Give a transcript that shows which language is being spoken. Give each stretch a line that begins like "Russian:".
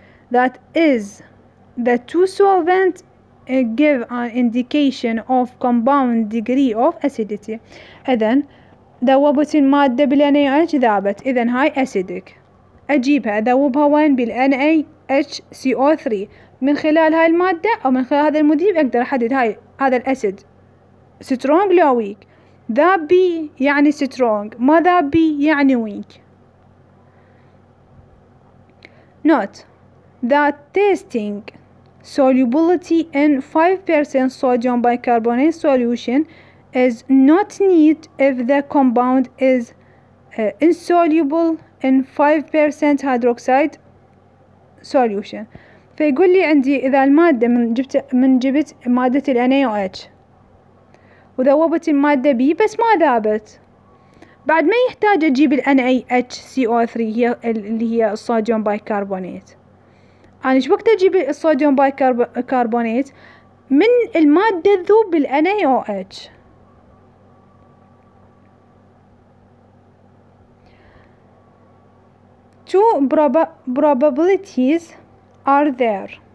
English: That is, the two solvents give an indication of compound degree of acidity.
Arabic: إذن ذوبت المادة بالـ NaOH ذابت، إذن هاي acidic، أجيبها ذوبها وين؟ بالـ NaHCO3. من خلال هاي المادة أو من خلال هذا المذيب أقدر أحدد هذا الأسيد strong لو weak، ذاب بي يعني strong، ما ذاب بي يعني weak. Note
English: that testing solubility in 5% sodium bicarbonate solution is not needed if the compound is insoluble in 5% hydroxide solution.
Arabic: فيقول لي عندي إذا المادة من جبت مادة الـ NaOH وذوبت المادة بي بس ما ذابت، بعد ما يحتاج أجيب الـ NaHCO3 هي اللي هي الصوديوم بايكربونات. أنا إيش وقت أجيب الصوديوم بايكربونات من المادة تذوب بالـ NaOH؟
English: Two probabilities are there.